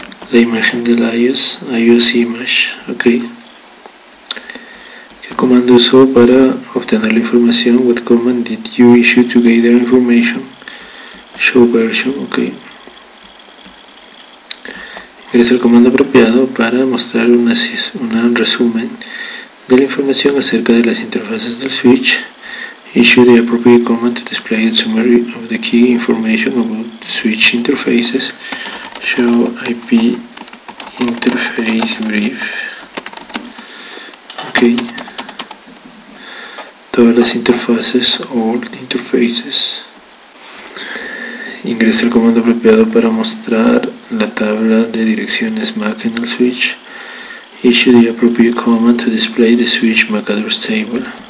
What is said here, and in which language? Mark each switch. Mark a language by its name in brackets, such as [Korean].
[Spanish] La imagen del iOS image. Ok. ¿Qué comando usó para obtener la información? [English] What command did you issue to gather information? Show version. Ok. [Spanish] Ingresa el comando apropiado para mostrar un resumen de la información acerca de las interfaces del switch. [English] Issue the appropriate command to display a summary of the key information about switch interfaces. Show IP interface brief. Ok. [Spanish] Todas las interfaces, [English] all interfaces. [Spanish] Ingresa el comando apropiado para mostrar la tabla de direcciones MAC en el switch. [English] Issue the appropriate command to display the switch MAC address table.